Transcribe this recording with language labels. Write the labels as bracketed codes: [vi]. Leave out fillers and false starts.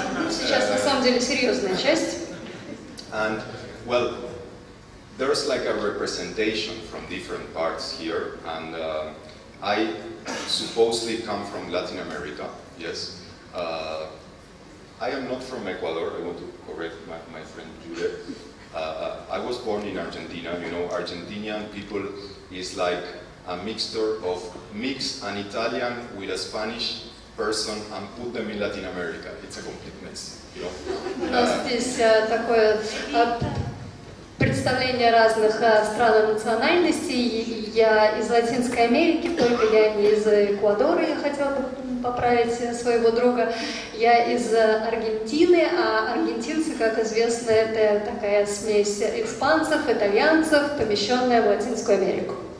[ru] Сейчас на самом деле серьезная часть. [en] And well, there's like a representation from different parts here, and I supposedly come from Latin America. Yes. I am not from Ecuador. I want to correct my friend Jude. I was born in Argentina. You know, Argentinian people is like a mixture of mix an Italian with a Spanish person and put them in Latin America. It's a complete mess, you know. [ru] У нас здесь такое представление разных стран и национальностей. Я из Латинской Америки, только я не из Эквадора. Я хотела бы поправить своего друга. Я из Аргентины, а аргентинцы, как известно, это такая смесь испанцев, итальянцев, помещенная в Латинскую Америку.